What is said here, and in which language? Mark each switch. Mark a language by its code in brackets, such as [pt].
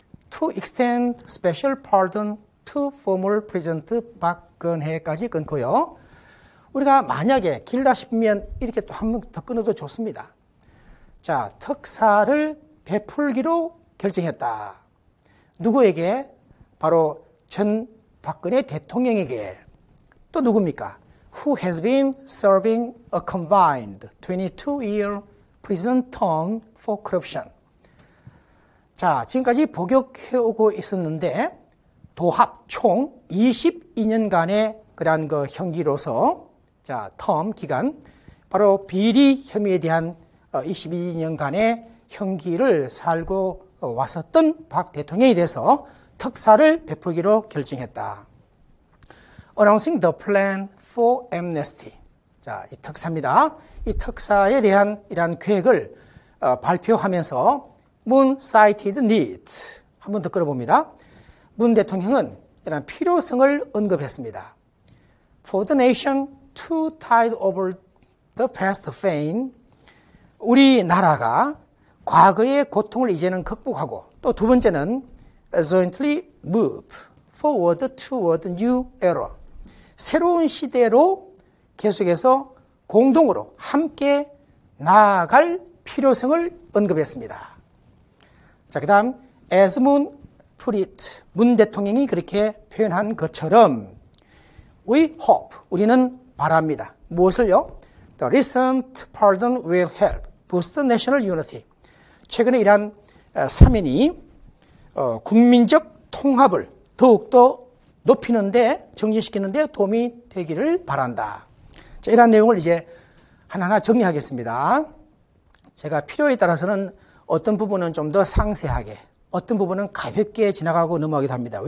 [en] To extend special pardon to former President [ko] 박근혜까지 끊고요. 우리가 만약에 길다 싶으면 이렇게 또 한 번 더 끊어도 좋습니다. 자, 특사를 베풀기로 결정했다. 누구에게? 바로 전 박근혜 대통령에게. 또 누굽니까? [en] Who has been serving a combined 22-year prison term for corruption. [ko] 자, 지금까지 복역해오고 있었는데 도합 총 22년간의 그러한 그 형기로서 자, term 기간, 바로 비리 혐의에 대한 22년간의 형기를 살고 왔었던 박 대통령에 대해서 특사를 베풀기로 결정했다. [en] Announcing the plan for amnesty. [ko] 자, 이 특사입니다. 이 특사에 대한 이러한 계획을 발표하면서 문 [en] cited need. [ko] 한 번 더 끌어봅니다. 문 대통령은 이러한 필요성을 언급했습니다. [en] For the nation to tide over the past pain. [ko] 우리나라가 과거의 고통을 이제는 극복하고 또 두 번째는 [en] jointly move forward toward new era. [ko] 새로운 시대로 계속해서 공동으로 함께 나아갈 필요성을 언급했습니다. 자, 그 다음 [en] as Moon put it, [ko] 문 대통령이 그렇게 표현한 것처럼 [en] we hope, [ko] 우리는 바랍니다. 무엇을요? [en] The recent pardon will help boost national unity. [ko] 최근에 이러한 사면이 국민적 통합을 더욱더 높이는데 정진시키는데 도움이 되기를 바란다. 자, 이러한 내용을 이제 하나하나 정리하겠습니다. 제가 필요에 따라서는 어떤 부분은 좀 더 상세하게 어떤 부분은 가볍게 지나가고 넘어가기도 합니다.